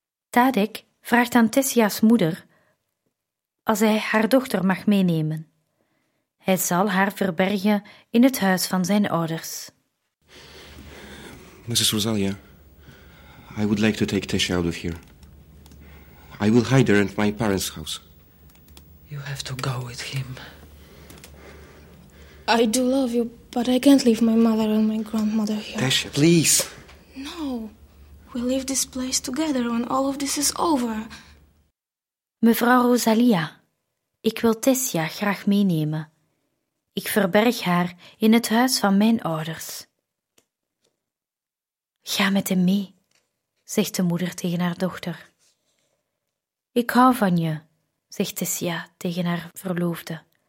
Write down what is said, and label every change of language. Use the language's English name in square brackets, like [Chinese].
[Dutch] Tadek vraagt aan Tessia's moeder als hij haar dochter mag meenemen. Hij zal haar verbergen in het huis van zijn ouders. [English] Mrs. Rosalia, I would like to take Tessia out of here. I will hide her at my parents' house. You have to go with him. I do love you, but I can't leave my mother and my grandmother here. Tessia, please. No. We leave this place together when all of this is over. [Dutch] Mevrouw Rosalia, ik wil Tessia graag meenemen. Ik verberg haar in het huis van mijn ouders. Ga met hem mee, zegt de moeder tegen haar dochter. Ik hou van je, zegt Tessia tegen haar verloofde.